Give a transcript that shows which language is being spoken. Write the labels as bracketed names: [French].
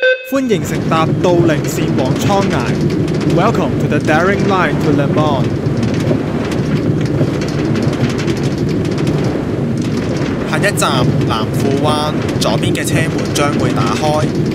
[Chinese] 欢迎乘搭都灵线往沧海。 [English] Welcome to the Daring Line to Le Mans. [Chinese] 下一站南富湾，左边的车门将会打开。